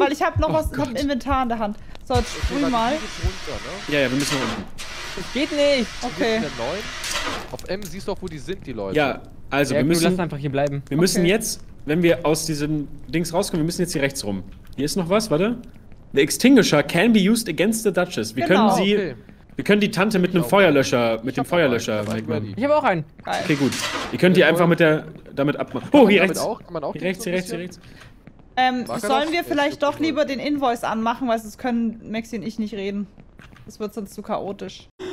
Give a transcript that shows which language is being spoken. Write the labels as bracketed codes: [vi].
[de] Weil ich hab noch was im Inventar in der Hand. So, jetzt sprüh mal. Ja, wir müssen runter. Das geht nicht. Okay. Auf M siehst du auch, wo die sind, die Leute. Ja, also wir müssen. Lass einfach hier bleiben. Wir müssen jetzt, wenn wir aus diesem Dings rauskommen, wir müssen jetzt hier rechts rum. Hier ist noch was, warte. [en] The Extinguisher can be used against the Duchess. [de] Wir können sie. Okay. Wir können die Tante mit einem Feuerlöscher, mit dem Feuerlöscher wegmachen. Ich habe auch einen. Okay, gut. Ihr könnt die einfach damit abmachen. Oh, hier rechts. Kann man auch hier rechts. Sollen wir vielleicht doch lieber den Invoice anmachen, weil sonst können Maxi und ich nicht reden. Das wird sonst zu chaotisch.